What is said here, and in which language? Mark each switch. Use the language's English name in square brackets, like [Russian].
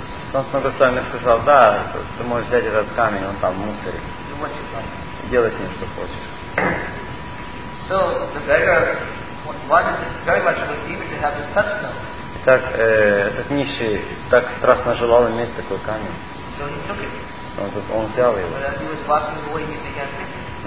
[Russian] Снатана Госвами сказал, да, ты можешь взять этот камень, он там в мусоре. Делай с ним, что хочешь. [English] So the beggar wanted very much was eager to have this touchstone. [Russian] Итак, этот нищий так страстно желал иметь такой камень. [English] So he took it. [Russian] Он взял его. [English] But as he was walking away, he began thinking.